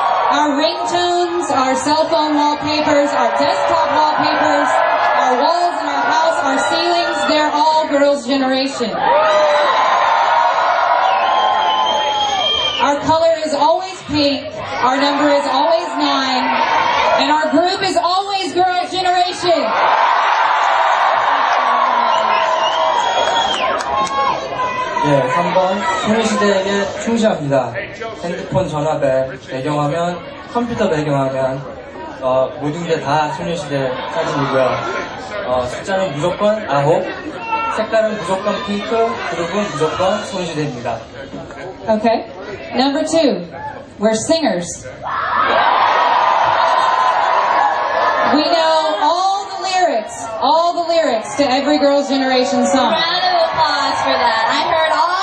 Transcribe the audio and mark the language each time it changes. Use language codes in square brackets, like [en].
[en] Our ringtones, our cell phone wallpapers, our desktop wallpapers, our walls in our house, our ceilings, they're all girls' generation. Our color is always pink, our number is always 9, and our group is always girls' generation. [ko] Yeah, 3번, 소녀시대에게 충실합니다. 핸드폰 전화벨, 배경화면, 컴퓨터 배경화면, 모든 게 다 소녀시대 사진이고요. 숫자는 무조건 9, 색깔은 무조건 핑크, 그룹은 무조건 소녀시대입니다. [en] Okay. Number two, we're singers. We know all the lyrics to every girl's generation song. Round of applause for that. I heard all.